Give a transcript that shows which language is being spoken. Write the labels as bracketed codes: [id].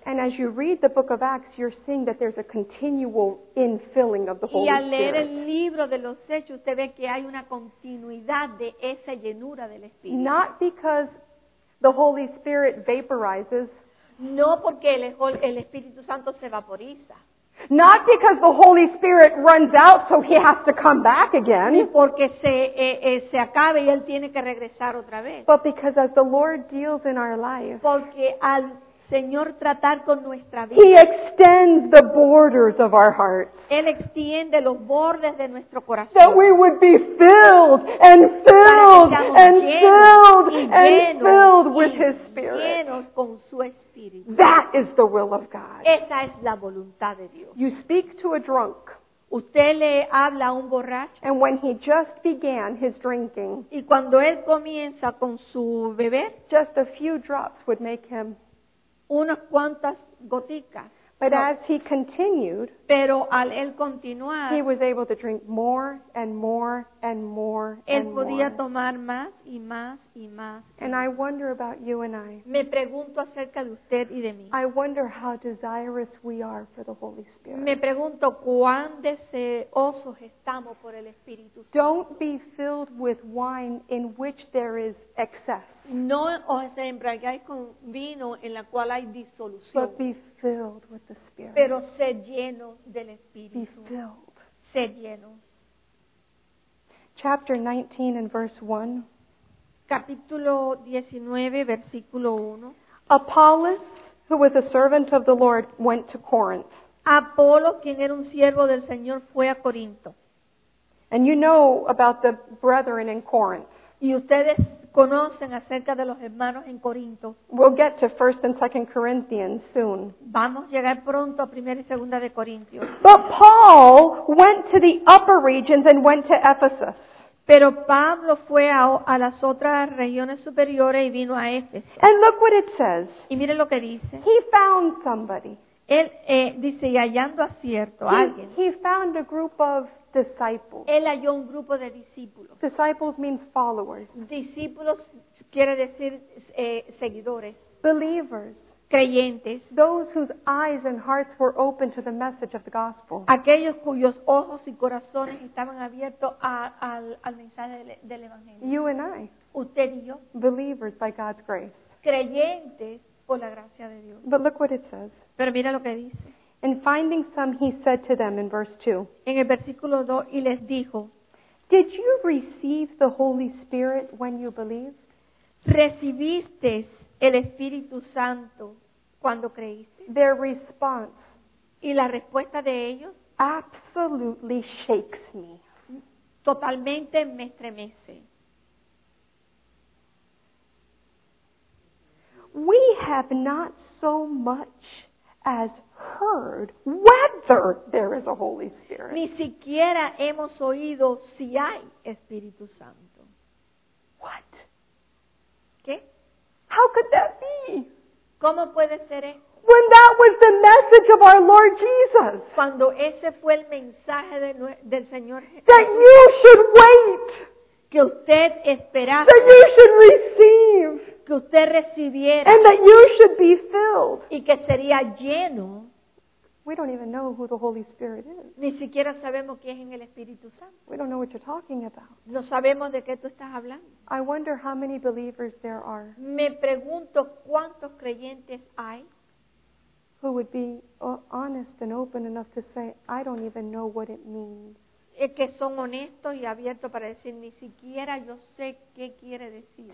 [en] And as you read the book of Acts, you're seeing that there's a continual infilling of the Holy Spirit. [es] Y al leer el libro de los Hechos, usted ve que hay una continuidad de esa llenura del Espíritu. [en] Not because the Holy Spirit vaporizes. [es] No porque el Espíritu Santo se vaporiza. [en] Not because the Holy Spirit runs out so he has to come back again. [es] Ni porque se acabe y él tiene que regresar otra vez. [en] But because as the Lord deals in our life. [es] Porque al Señor, tratar con nuestra vida. [en] He extends the borders of our hearts. [es] Él extiende los bordes de nuestro corazón. [en] That we would be filled and filled and filled and filled with His Spirit. [es] Llenos con su Espíritu. [en] That is the will of God. [es] Esa es la voluntad de Dios. [en] You speak to a drunk. [es] Usted le habla a un borracho. [en] And when he just began his drinking, [es] y cuando él comienza con su beber, [en] just a few drops would make him. [es] Unas cuantas goticas. [en] But no, as he continued, [es] pero al él continuar, [en] he was able to drink more and more and more and more. [es] Él podía tomar más y más y más. [en] And I wonder about you and I. [es] Me pregunto acerca de usted y de mí. [en] I wonder how desirous we are for the Holy Spirit. [es] Me pregunto cuán deseosos estamos por el Espíritu Santo. [en] Don't be filled with wine in which there is excess. [es] No os embriagáis con vino en la cual hay disolución. [en] But be filled with the Spirit. [es] Pero sed llenos del Espíritu. [en] Be filled. [es] Sed llenos. [en] Chapter 19 and verse 1. [es] Capítulo 19, versículo 1. [en] Apollos, who was a servant of the Lord, went to Corinth. [es] Apolo, quien era un siervo del Señor, fue a Corinto. [en] And you know about the brethren in Corinth. [es] Y ustedes conocen acerca de los hermanos en Corinto. [en] We'll get to 1 and 2 Corinthians soon. [es] Vamos a llegar pronto a 1 y 2 de Corintios. [en] But Paul went to the upper regions and went to Ephesus. [es] Pero Pablo fue a las otras regiones superiores y vino a Éfeso. [en] And look what it says. [es] Y miren lo que dice. [en] He found somebody. [es] Él dice, y hallando a cierto alguien. [en] He found a group of disciples. [es] Él halló un grupo de discípulos. [en] Disciples means followers. [es] Discípulos quiere decir seguidores. [en] Believers. [es] Creyentes. [en] Those whose eyes and hearts were open to the message of the gospel. [es] Aquellos cuyos ojos y corazones estaban abiertos al mensaje del evangelio. [en] You and I. [es] Usted y yo. [en] Believers by God's grace. [es] Creyentes por la gracia de Dios. [en] But look what it says. [es] Pero mira lo que dice. [en] And finding some, he said to them in verse 2. [es] En el versículo 2, y les dijo, [en] did you receive the Holy Spirit when you believed? [es] ¿Recibiste el Espíritu Santo cuando creíste? [en] Their response. [es] ¿Y la respuesta de ellos? [en] Absolutely shakes me. [es] Totalmente me estremece. [en] We have not so much as heard whether there is a Holy Spirit. [es] Ni siquiera hemos oído si hay Espíritu Santo. [en] What? [es] ¿Qué? [en] How could that be? [es] ¿Cómo puede ser esto? [en] When that was the message of our Lord Jesus. [es] Cuando ese fue el mensaje del Señor Jesús. [en] That you should wait. [es] Que usted esperase. [en] That you should receive. [es] Que usted recibiera. [en] And that you should be filled. [es] Y que sería lleno. [en] We don't even know who the Holy Spirit is. [es] Ni siquiera sabemos quién es el Espíritu Santo. [en] We don't know what you're talking about. [es] No sabemos de qué tú estás hablando. [en] I wonder how many believers there are. [es] Me pregunto cuántos creyentes hay. [en] Who would be honest and open enough to say, I don't even know what it means. [es] Es que son honestos y abiertos para decir, ni siquiera yo sé qué quiere decir.